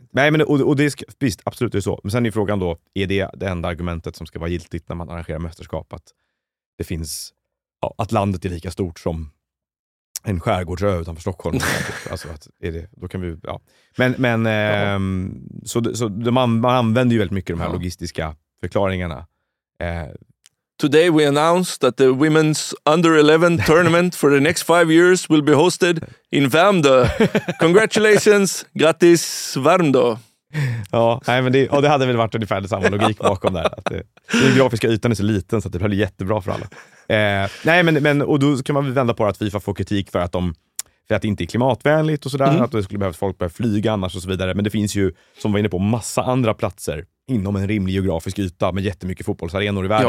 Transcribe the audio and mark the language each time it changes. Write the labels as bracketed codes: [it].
[sv] Nej, men och det är visst, absolut det är så. Men sen är frågan då, är det det enda argumentet som ska vara giltigt när man arrangerar mästerskap? Att det finns, ja, att landet är lika stort som en skärgårdsö utanför Stockholm. Alltså att är det, då kan vi, ja. Men ja. Man använder ju väldigt mycket de här logistiska förklaringarna. [en] Today we announced that the women's under 11 tournament for the next 5 years will be hosted in Värmdö. Congratulations, [sv] grattis [en] Värmdö. [sv] Ja, nej, men det hade väl varit ungefär det samma logik bakom där. Att den grafiska ytan är så liten så att det blir jättebra för alla. Nej, men och då kan man väl vända på att FIFA får kritik för att det inte är klimatvänligt och sådär. Mm. Att det skulle behövas folk börja flyga annars och så vidare. Men det finns ju, som vi var inne på, massa andra platser inom en rimlig geografisk yta med jättemycket fotbollsarenor i världen.